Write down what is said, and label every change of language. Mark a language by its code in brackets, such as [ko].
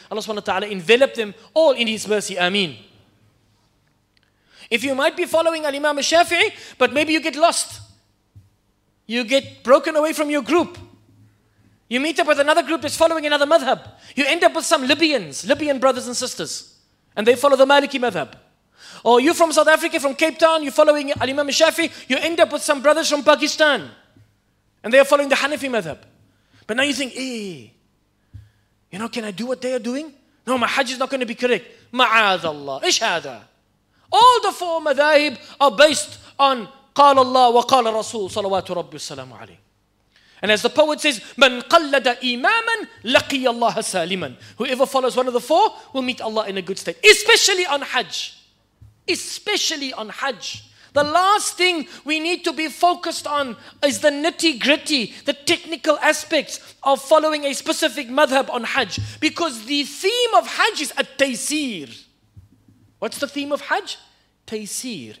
[en] Allah subhanahu wa ta'ala envelop them all in His mercy. Ameen. If you might be following Al-Imam Shafi'i, but maybe you get lost, you get broken away from your group, you meet up with another group that's following another madhab, you end up with some Libyan brothers and sisters, and they follow the Maliki madhab. Or you from South Africa, from Cape Town, you're following Al-Imam Shafi'i, you end up with some brothers from Pakistan, and they are following the Hanafi madhab. But now you think, you know, can I do what they are doing? No, my hajj is not going to be correct. [ar] Ma'adallah, ish hadha. [en] All the four madhahib are based on [ar] قال الله وقال رسول صلوات ربي السلام عليه. [en] And as the poet says, [ar] من قلد إماما لقي الله سالما. [en] Whoever follows one of the four will meet Allah in a good state. Especially on Hajj. Especially on Hajj. The last thing we need to be focused on is the nitty gritty, the technical aspects of following a specific madhab on Hajj. Because the theme of Hajj is at-taysir. What's the theme of Hajj? Taysir.